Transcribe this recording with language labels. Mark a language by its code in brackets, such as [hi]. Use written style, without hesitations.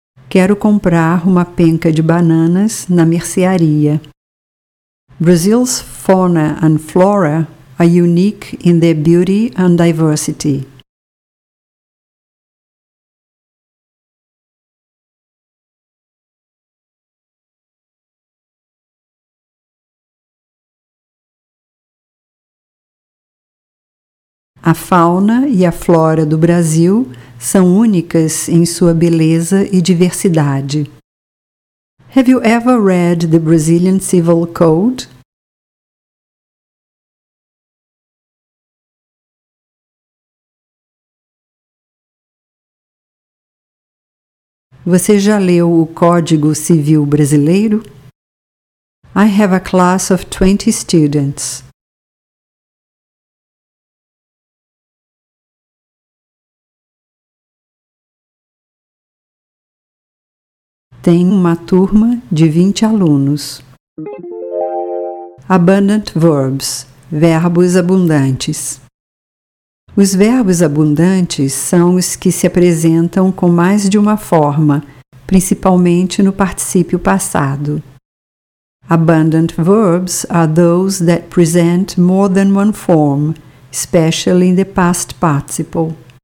[pt] Quero comprar uma penca de bananas na mercearia. [en] Brazil's fauna and flora are unique in their beauty and diversity. [pt] A fauna e a flora do Brasil são únicas em sua beleza e diversidade. [en] Have you ever read the Brazilian Civil Code? [pt] Você já leu o Código Civil Brasileiro? [en] I have a class of 20 students. [pt] Tem uma turma de 20 alunos. [en] Abundant verbs, [pt] verbos abundantes. Os verbos abundantes são os que se apresentam com mais de uma forma, principalmente no particípio passado. [en] Abundant verbs are those that present more than one form, especially in the past participle.